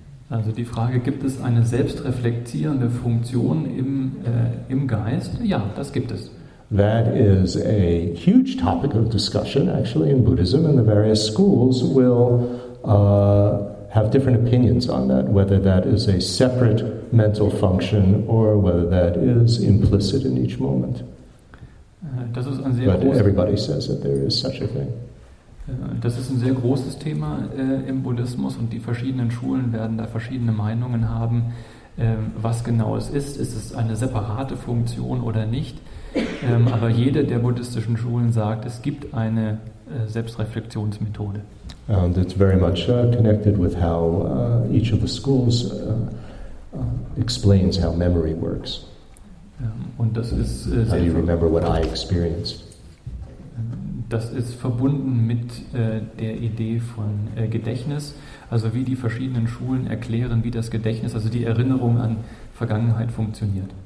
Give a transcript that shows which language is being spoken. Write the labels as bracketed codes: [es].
[de] Also die Frage, gibt es eine selbstreflektierende Funktion im Geist? Ja, das gibt es. [en] That is a huge topic of discussion, actually, in Buddhism, and the various schools will have different opinions on that, whether that is a separate mental function or whether that is implicit in each moment. [de] Das ist ein sehr [en] everybody says that there is such a thing. [de] Das ist ein sehr großes Thema im Buddhismus und die verschiedenen Schulen werden da verschiedene Meinungen haben, was genau es ist. Ist es eine separate Funktion oder nicht? Aber jede der buddhistischen Schulen sagt, es gibt eine Selbstreflexionsmethode. [en] And it's very much connected with how each of the schools explains how memory works. [de] Und das ist [en] how do you remember what I experienced? [de] Das ist verbunden mit der Idee von Gedächtnis, also wie die verschiedenen Schulen erklären, wie das Gedächtnis, also die Erinnerung an Vergangenheit funktioniert.